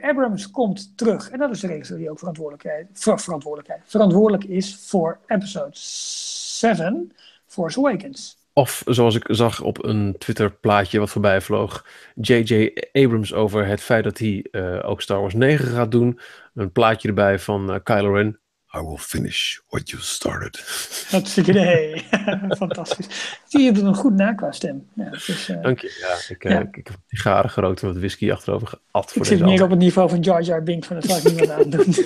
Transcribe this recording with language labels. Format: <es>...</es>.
<nl>Abrams komt terug. En dat is de regisseur die ook verantwoordelijk is voor episode 7, Force Awakens. Of zoals ik zag op een Twitter plaatje wat voorbij vloog, J.J. Abrams over het feit dat hij ook Star Wars 9 gaat doen. Een plaatje erbij van Kylo Ren.</nl> <en>I will finish what you started.</en> <nl>Dat is een idee. Fantastisch. Zie je het een goed na qua stem. Ja, dank je. Ja, ik heb een sigaren gerookt en wat whisky achterover geat. Ik zit meer op het niveau van Jar Jar Binks, van dat zal ik niet meer aan doen.</nl>